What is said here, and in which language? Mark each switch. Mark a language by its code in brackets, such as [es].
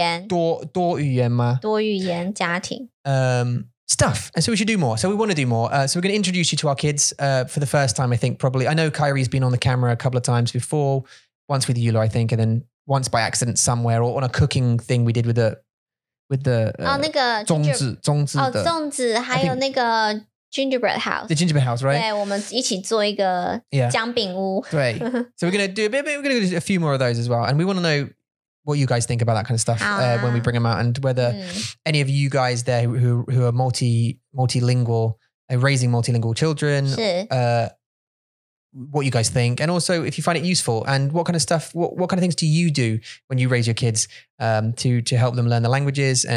[zh] 语言多语言吗多语言家庭 [en] stuff. And so we should do more. So we want to do more. So we're going to introduce you to our kids for the first time, I think, probably. I know Kyrie's been on the camera a couple of times before, once with Yula, I think, and then once by accident somewhere or on a cooking thing we did with the [zh] 粽子还有那个 [en] Gingerbread house. The gingerbread house, right? [zh] 对，我们一起做一个姜饼屋。 [en] Yeah. Right. So we're going to do a bit, we're going to do a few more of those as well. And we want to know what you guys think about that kind of stuff when we bring them out, and whether any of you guys there who are multilingual, raising multilingual children, what you guys think, and also if you find it useful, and what kind of stuff, what kind of things do you do when you raise your kids to help them learn the languages?